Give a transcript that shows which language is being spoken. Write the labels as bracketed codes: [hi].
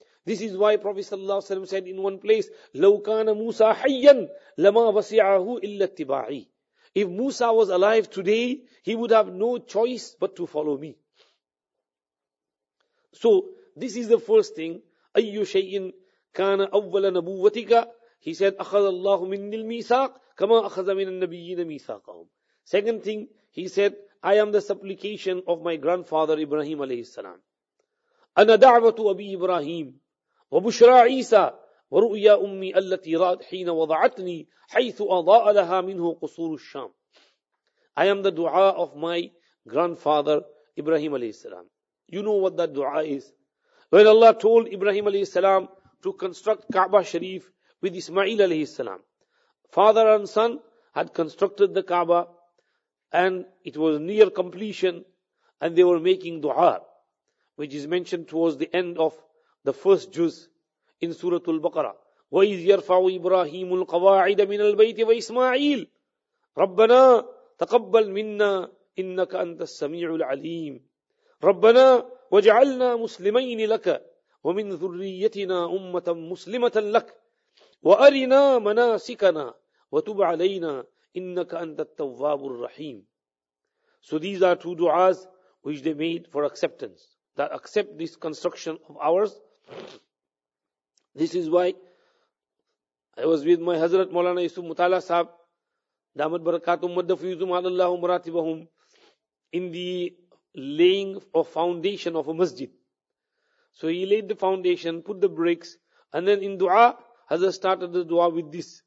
[en] This is why Prophet sallallahu alaihi wasallam said in one place, [ar] لَوْ كَانَ مُوسَى حَيًّا لَمَا وَسِعَهُ إِلَّا اتِّبَاعِي. [en] If Musa was alive today, he would have no choice but to follow me. So, this is the first thing. [ar] أَيُّ شَيْءٍ كَانَ أَوَّلَ نَبُوَّتِكَ. [en] He said, [ar] أَخَذَ اللَّهُ مِنِّي الْمِيثَاقِ كَمَا أَخَذَ مِنَ النَّبِيِّينَ مِيثَاقَهُمْ. [en] Second thing, he said, I am the supplication of my grandfather Ibrahim alayhi salam. [ar] أَنَا دَعْوَةُ أَبِي إِبْرَاهِيمِ وَبُشْرَى عِيسَى وَرُؤْيَا أُمِّي أَلَّتِي رَأَتْ حِينَ وَضَعَتْنِي حَيْثُ أَضَاءَ لَهَا مِنْهُ قُصُورُ الشَّامِ. [en] I am the dua of my grandfather Ibrahim alayhi salam. You know what that dua is. When Allah told Ibrahim alayhi salam to construct Kaaba Sharif with Ismail alayhi salam, father and son had constructed the Kaaba and it was near completion and they were making dua, which is mentioned towards the end of the first juz in Surah Al-Baqarah. [ar] وَإِذْ يَرْفَعُ إِبْرَاهِيمُ الْقَوَاعِدَ مِنَ الْبَيْتِ وَإِسْمَاعِيلِ رَبَّنَا تَقَبَّلْ مِنَّا إِنَّكَ أَنْتَ السَّمِيعُ الْعَلِيمُ رَبَّنَا وَجَعَلْنَا مُسْلِمَيْنِ لَكَ وَمِنْ ذُرِّيَّتِنَا أُمَّةً مُسْلِمَةً لَكَ وَأَرِنَا مَنَاسِكَنَا وَتُبْ عَلَيْنَا إِنَّكَ أَنْتَ التَّوَّابُ الرَّحِيمُ. [en] So these are two du'as which they made for acceptance, that accept this construction of ours. This is why I was with my Hazrat Maulana Yusuf Mutala Sahib Damat barakatum madafuyuzum alallahu maratibahum. In the laying of foundation of a masjid. So he laid the foundation, put the bricks, and then in dua, Hazrat started the dua with this.